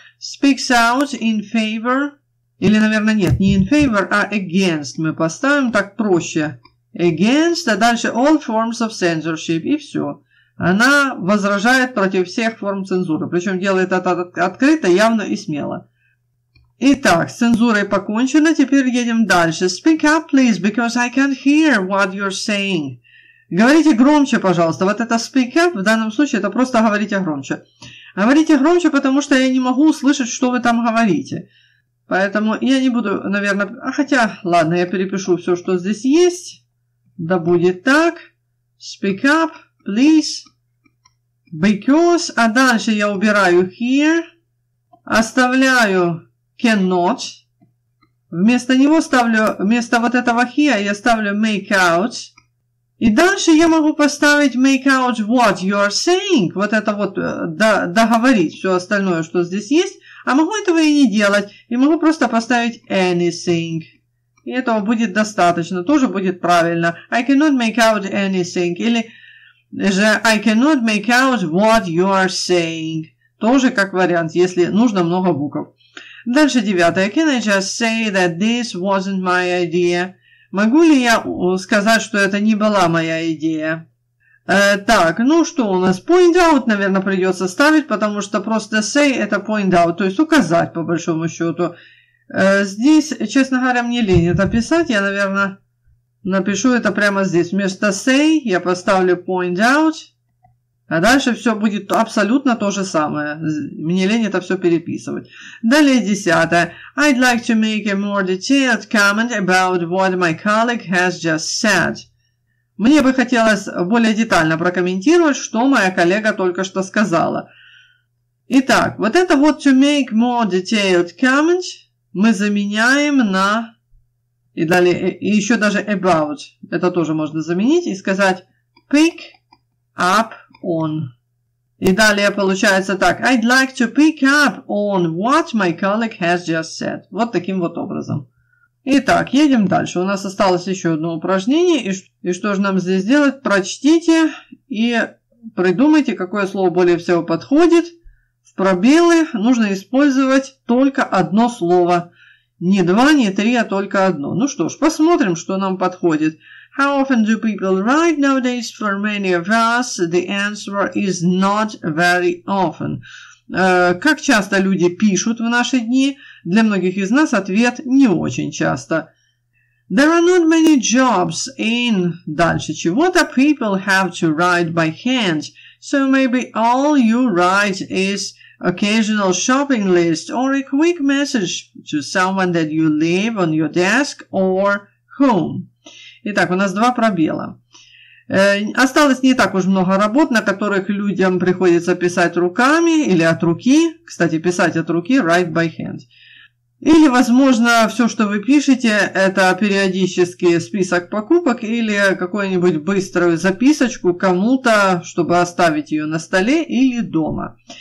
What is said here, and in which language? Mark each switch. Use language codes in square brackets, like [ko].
[en] Speaks out in favor. [ru] Или, наверное, нет, не [en] in favor, [ru] а [en] against. [ru] Мы поставим так проще. [en] Against, [ru] а дальше [en] all forms of censorship. [ru] И все. Она возражает против всех форм цензуры. Причем делает это открыто, явно и смело. Итак, с цензурой покончено. Теперь едем дальше. [en] Speak up, please, because I can't hear what you're saying. [ru] Говорите громче, пожалуйста. Вот это [en] speak up [ru] в данном случае, это просто говорите громче. Говорите громче, потому что я не могу услышать, что вы там говорите. Поэтому я не буду, наверное... Хотя, ладно, я перепишу все, что здесь есть. Да будет так. [en] Speak up. Please, because, [ru] а дальше я убираю [en] here, [ru] оставляю [en] cannot, [ru] вместо него ставлю, вместо вот этого here я ставлю [en] make out, [ru] и дальше я могу поставить [en] make out what you are saying, [ru] вот это вот договорить все остальное, что здесь есть, а могу этого и не делать, и могу просто поставить [en] anything. [ru] И этого будет достаточно, тоже будет правильно. [en] I cannot make out anything, [ru] или... Же [en] I cannot make out what you are saying. [ru] Тоже как вариант, если нужно много букв. Дальше девятое. [en] Can I just say that this wasn't my idea? [ru] Могу ли я сказать, что это не была моя идея? Так, ну что у нас? [en] Point out, [ru] наверное, придется ставить, потому что просто [en] say [ru] это [en] point out, [ru] то есть указать по большому счету. Здесь, честно говоря, мне лень это писать, я, наверное... Напишу это прямо здесь. Вместо [en] say [ru] я поставлю [en] point out. [ru] А дальше все будет абсолютно то же самое. Мне лень это все переписывать. Далее десятое. [en] I'd like to make a more detailed comment about what my colleague has just said. [ru] Мне бы хотелось более детально прокомментировать, что моя коллега только что сказала. Итак, вот это вот [en] to make more detailed comment [ru] мы заменяем на... И далее, и еще даже [en] about, [ru] это тоже можно заменить и сказать [en] pick up on. [ru] И далее получается так, [en] I'd like to pick up on what my colleague has just said. [ru] Вот таким вот образом. Итак, едем дальше. У нас осталось еще одно упражнение. И что же нам здесь делать? Прочтите и придумайте, какое слово более всего подходит. В пробелы нужно использовать только одно слово. Не два, не три, а только одно. Ну что ж, посмотрим, что нам подходит. [en] How often do people write nowadays? For many of us, the answer is not very often. [ru] Как часто люди пишут в наши дни? Для многих из нас ответ не очень часто. [en] There are not many jobs in... [ru] Дальше чего-то [en] people have to write by hand. So maybe all you write is... Occasional shopping list or a quick message to someone that you leave on your desk or home. [ru] Итак, у нас два пробела. Осталось не так уж много работ, на которых людям приходится писать руками или от руки. Кстати, писать от руки, [en] write by hand. [ru] Или, возможно, все, что вы пишете, это периодически список покупок или какую-нибудь быструю записочку кому-то, чтобы оставить ее на столе или дома.